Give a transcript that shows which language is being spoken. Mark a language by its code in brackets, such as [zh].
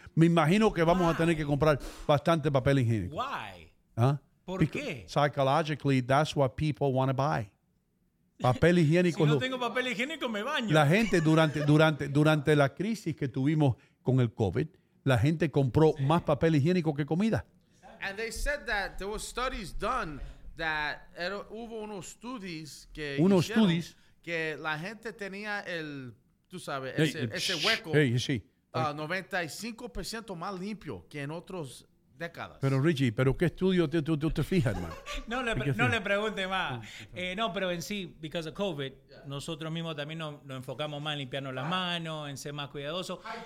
[es] Me imagino que vamos a tener que comprar bastante papel higiénico. [en] Why? ¿Ah? [es] ¿Por qué? [en] Psychologically, that's what people want to buy. [es] Papel higiénico. Si no tengo papel higiénico, me baño. La gente durante la crisis que tuvimos con el COVID, la gente compró más papel higiénico que comida. [en] And they said that there were studies done that [es] hubo unos estudios que unos estudios que la gente tenía el, tú sabes, ese hueco, hey, sí. 95% más limpio que en otros décadas. Pero Richie, ¿pero qué estudio te fijas, hermano? No le pregunte más. No, pero en sí, [en] because of COVID, yeah, [es] nosotros mismos también nos enfocamos más en limpiarnos las manos, en ser más cuidadosos.